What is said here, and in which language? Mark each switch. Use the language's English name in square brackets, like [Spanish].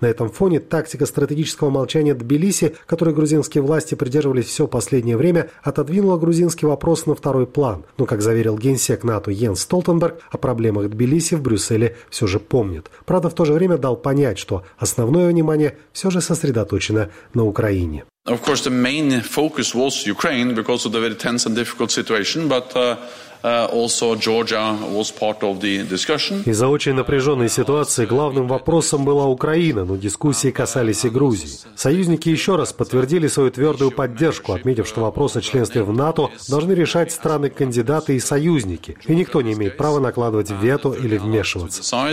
[Russian] На этом фоне тактика стратегического молчания Тбилиси, которой грузинские власти придерживались все последнее время, отодвинула грузинский вопрос на второй план. Но, как заверил генсек НАТО Йенс Столтенберг, о проблемах Тбилиси в Брюсселе все же помнит. Правда, в то же время дал понять, что основное внимание все же сосредоточено на Украине. [English] Of course, the main focus was Ukraine because of the very tense and difficult situation, but also Georgia was part of the discussion. [Russian] Из-за очень напряженной ситуации главным вопросом была Украина, но дискуссии касались и Грузии. Союзники еще раз подтвердили свою твердую поддержку, отметив, что вопрос о членстве в НАТО должны решать страны-кандидаты и союзники, и никто не имеет права накладывать вето или вмешиваться.